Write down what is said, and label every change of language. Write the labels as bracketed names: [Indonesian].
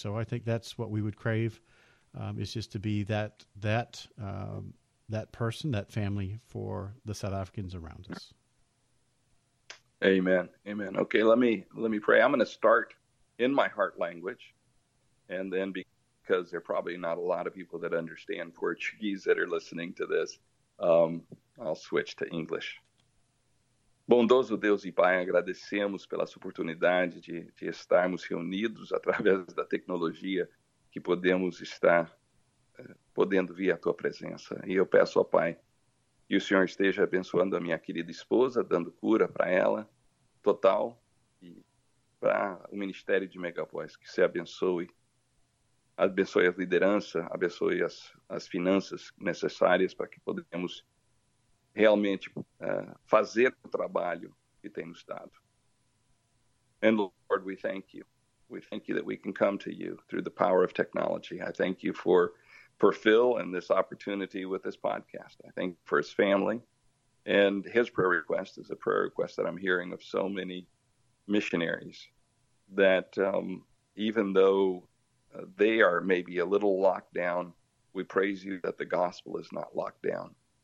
[English] So I think that's what we would crave. It's just to be that person, that family for the South Africans around us. Amen. Amen. Okay, let me pray. I'm going to start in my heart language, and then because there are probably not a lot of people that understand Portuguese that are listening to this, I'll switch to English. [Portuguese] Bondoso Deus e Pai, agradecemos pela sua oportunidade de estarmos reunidos através da tecnologia que podemos estar podendo vir à tua presença. E eu peço ao Pai que o Senhor esteja abençoando a minha querida esposa, dando cura para ela, total, e para o Ministério de Megavoz, que se abençoe. Abençoe as lideranças, abençoe as finanças necessárias para que podemos realmente fazer o trabalho que tem nos dado. [English] And Lord, we thank you. We thank you that we can come to you through the power of technology. I thank you for Phil and this opportunity with this podcast. I thank you for his family. And his prayer request is a prayer request that I'm hearing of so many missionaries that even though they are maybe a little locked down, we praise you that the gospel is not locked down.